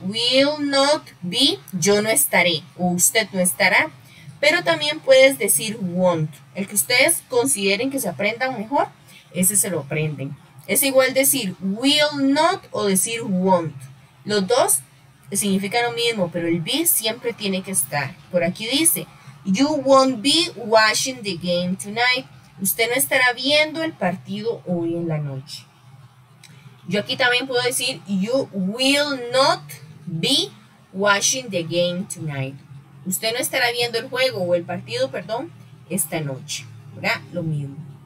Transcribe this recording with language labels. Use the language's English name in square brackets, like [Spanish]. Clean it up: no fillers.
[Spanish] Will not be, yo no estaré o usted no estará. Pero también puedes decir won't. El que ustedes consideren que se aprendan mejor, ese se lo aprenden. Es igual decir will not o decir won't. Los dos significan lo mismo, pero el be siempre tiene que estar. [English] Por aquí dice, you won't be watching the game tonight. [Spanish] Usted no estará viendo el partido hoy en la noche. [English] Yo aquí también puedo decir, you will not be watching the game tonight. [Spanish] Usted no estará viendo el juego o el partido, perdón, esta noche, ¿verdad? Lo mismo.